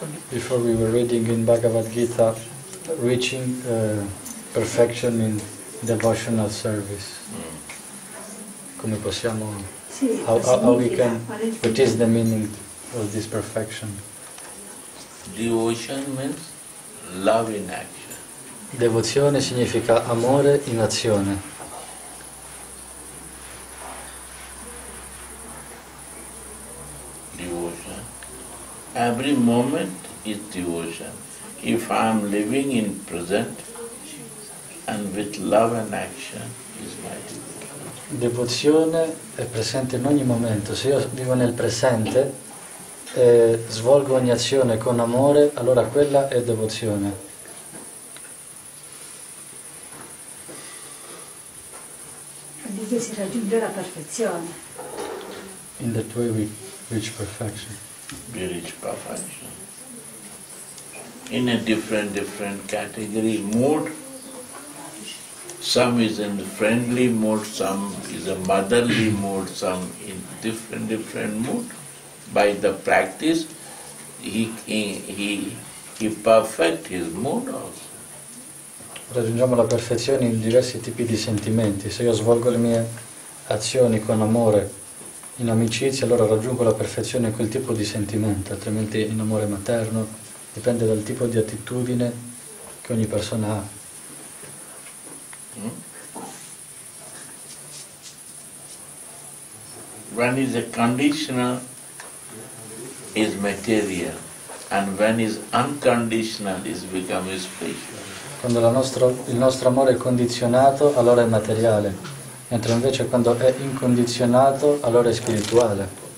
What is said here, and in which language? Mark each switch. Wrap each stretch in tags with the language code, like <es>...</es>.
<en>Before we were reading in Bhagavad Gita, reaching perfection in devotional service.</en> <it>Come possiamo?</it> <en>How we can? What is the meaning of this perfection? Devotion means love in action.</en> <it>Devozione significa amore in azione.</it> <en>Every moment is devotion. If I am living in present and with love and action, is my devotion.</en> <it>Devozione è presente in ogni momento. Se io vivo nel presente e svolgo ogni azione con amore, allora quella è devozione. Dice si raggiunge la perfezione.</it> <en>In that way we reach perfection. We reach perfection. In a different category, mood. Some is in friendly mood, some is a motherly mood, some in different mood. By the practice, he perfect his mood also.</en> <it>Raggiungiamo la perfezione in diversi tipi di sentimenti. Se io svolgo le mie azioni con amore, in amicizia, allora raggiungo la perfezione in quel tipo di sentimento, altrimenti in amore materno, dipende dal tipo di attitudine che ogni persona ha.</it> <en>When is a conditional is material, and when is unconditional is become spiritual.</en> <it>Quando il nostro amore è condizionato, allora è materiale, mentre invece quando è incondizionato, allora è spirituale.</it>